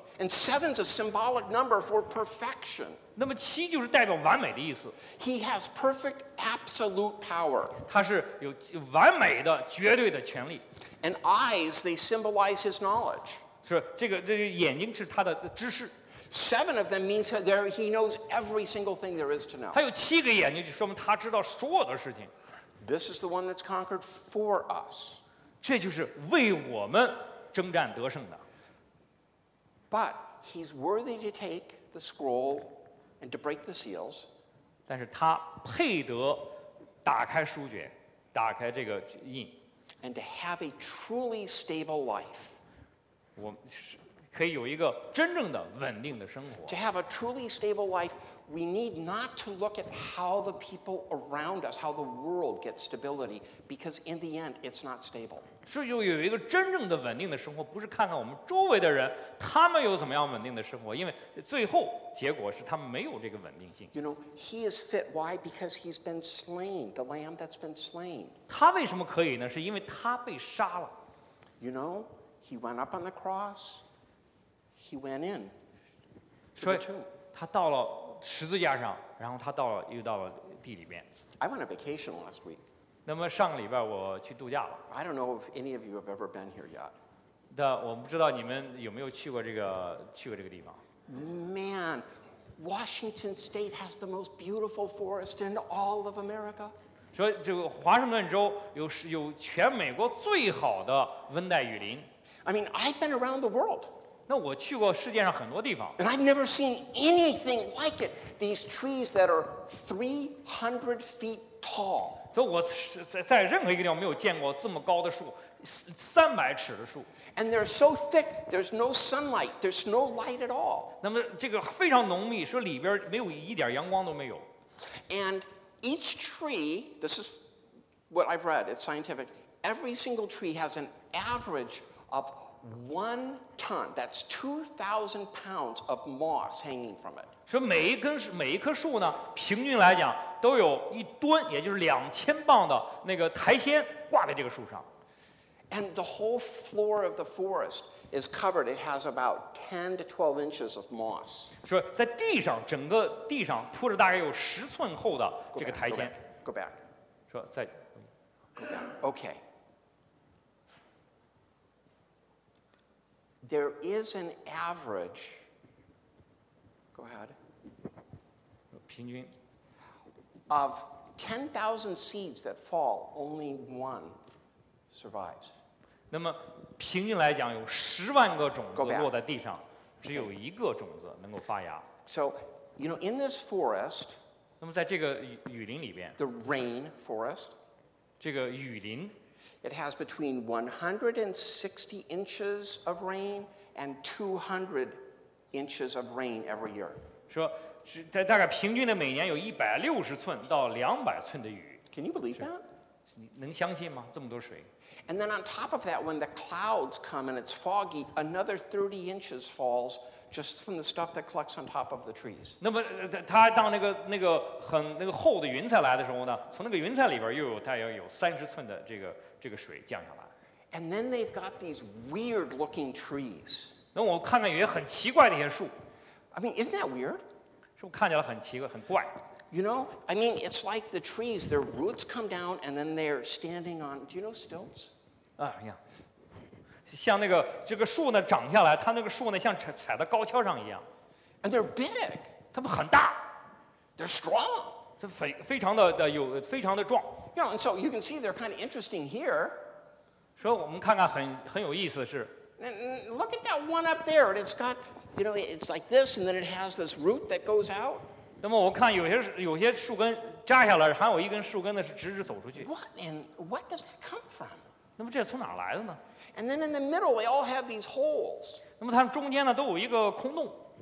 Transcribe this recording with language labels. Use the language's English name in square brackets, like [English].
[English] And seven's a symbolic number for perfection. [Chinese] 那么七就是代表完美的意思。 [English] He has perfect, absolute power. [Chinese] 它是有完美的、绝对的权力。 [English] And eyes, they symbolize his knowledge. [Chinese] 是这个眼睛是他的知识。 [English] Seven of them means that he knows every single thing there is to know. [Chinese] 它有七个眼睛，就说明他知道所有的事情。 [English] This is the one that's conquered for us. [Chinese] 这就是为我们。征战得胜的。 [English] But he's worthy to take the scroll and to break the seals. [Chinese] 但是他配得打开书卷，打开这个印。 [English] And to have a truly stable life. [Chinese] 我可以有一个真正的稳定的生活。 [English] To have a truly stable life, we need not to look at how the people around us, how the world gets stability, because in the end, it's not stable. [Chinese] 是有一个真正的稳定的生活，不是看看我们周围的人，他们有怎么样稳定的生活，因为最后结果是他们没有这个稳定性。 [English] You know, he is fit. Why? Because he's been slain, the lamb that's been slain. [Chinese] 他为什么可以呢？是因为他被杀了。 [English] You know, he went up on the cross. He went in. So, he went to the [Chinese] 十字架上，然后他到了又到了地里面。 [English] I went on vacation last week. [Chinese] 那么上个礼拜我去度假了。 [English] I don't know if any of you have ever been here yet. [Chinese] 但我不知道你们有没有去过这个地方。 [English] Man, Washington State has the most beautiful forest in all of America. [Chinese] 说这个华盛顿州有全美国最好的温带雨林。 [English] I mean, I've been around the world. [Chinese] 那我去过世界上很多地方。 [English] And I've never seen anything like it. These trees that are 300 feet tall. [Chinese] 这我在任何一个地方没有见过这么高的树，三百尺的树。 [English] And they're so thick. There's no sunlight. There's no light at all. [Chinese] 那么这个非常浓密，说里边没有一点阳光都没有。 [English] And each tree, this is what I've read. It's scientific. Every single tree has an average of one ton, that's 2,000 pounds of moss hanging from it. [Chinese] 所以每一棵树呢，平均来讲都有一吨，也就是2000磅的那个苔藓挂在这个树上。 [English] And the whole floor of the forest is covered. It has about 10 to 12 inches of moss. [Chinese] 所以在地上，整个地上铺着大概有十寸厚的这个苔藓。 [English] Go back. [Chinese] 说再。 [English] Go back. Okay. There is an average. Go ahead. [Chinese] 平均 [English] of 10,000 seeds that fall, only one survives. [Chinese] 那么平均来讲，有十万个种子落在地上，只有一个种子能够发芽。 [English] So, you know, in this forest. [Chinese] 那么在这个雨林里边 [English] ，the rain forest. [Chinese] 这个雨林。 [English] It has between 160 inches of rain and 200 inches of rain every year. [Chinese] 说它大概平均的每年有160寸到200寸的雨。 [English] Can you believe that? [Chinese] 能相信吗？这么多水。 [English] And then on top of that, when the clouds come and it's foggy, another 30 inches falls just from the stuff that collects on top of the trees. [Chinese] 那么它当那个很那个厚的云彩来的时候呢，从那个云彩里边又有大约有30寸的这个。这个水降下来。 [English] And then they've got these weird-looking trees. [Chinese] 那我看看有些很奇怪的一些树。 [English] I mean, isn't that weird? [Chinese] 是不是看起来很奇怪，很怪 [English] ？You know, I mean, it's like the trees. Their roots come down, and then they're standing on. Do you know stilts? [Chinese] 啊呀，像那个这个树呢，长下来，它那个树呢，像踩在高跷上一样。 [English] And they're big. [Chinese] 它们很大。 [English] They're strong. [Chinese] 非常的有非常的壮。 [English] You know, and so you can see they're kind of interesting here. [Chinese] 说我们看看很有意思的是。 [English] Look at that one up there. It's got, you know, it's like this, and then it has this root that goes out. [Chinese] 那么我看有些树根扎下来，还有一根树根呢是直直走出去。 [English] What does that come from? [Chinese] 那么这从哪来的呢 [English] ？And then in the middle, they all have these holes. [Chinese] 那么它们中间呢都有一个空洞。